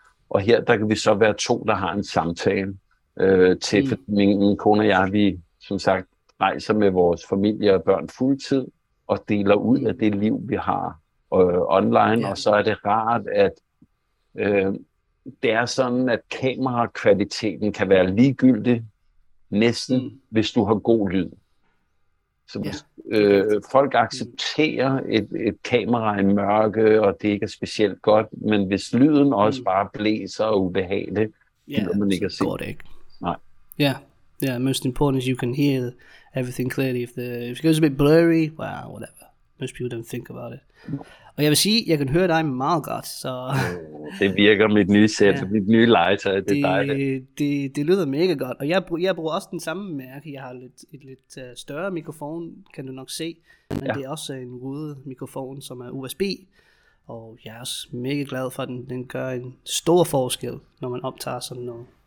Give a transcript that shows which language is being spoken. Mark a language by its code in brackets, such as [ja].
[da] Og her, der kan vi så være to, der har en samtale til, for min kone og jeg, vi som sagt rejser med vores familie og børn fuldtid, og deler ud af det liv, vi har online, og så er det rart, at det er sådan, at kamerakvaliteten kan være ligegyldig, næsten, hvis du har god lyd. Så folk accepterer et kamera i mørke, og det ikke er specielt godt, men hvis lyden også bare blæser og ubehageligt, gider man ikke at se. Det ikke. Nej. [en] Yeah, most important is you can hear everything clearly. If it goes a bit blurry, well, whatever. Most people don't think about it. [da] Og jeg vil sige, jeg kan høre dig meget godt, så det virker mit nye sæt, ja, mit nye legetøj, det er dejligt. Det lyder mega godt, og jeg bruger også den samme mærke. Jeg har et lidt større mikrofon, kan du nok se, men det er også en rude mikrofon, som er USB, og jeg er også mega glad for, at den gør en stor forskel, når man optager sådan noget.